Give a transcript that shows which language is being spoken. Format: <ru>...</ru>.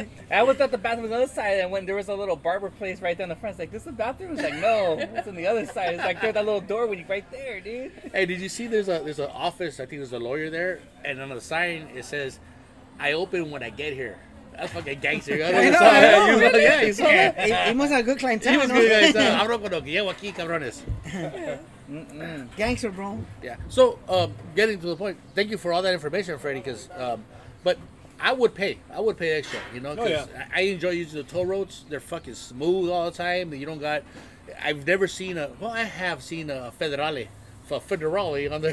<en>I was at the bathroom on the other side, and when there was a little barber place right down the front, it's like, this is the bathroom? It's like, no, it's on the other side. It's like, there's that little door when you're right there, dude. Hey, did you see there's an office? I think there's a lawyer there. And on the sign, it says, I open when I get here. That's fucking gangster. He must have a good clientele. He was good clientele.</en> <es>Abro cuando llego aquí, cabrones.</es> <en>Gangster, bro. Yeah. So, getting to the point, thank you for all that information, Freddie, but I would pay extra, you know, because I enjoy using the toll roads. They're fucking smooth all the time. You don't got, I've never seen I have seen a Federale. For Federale on the</en>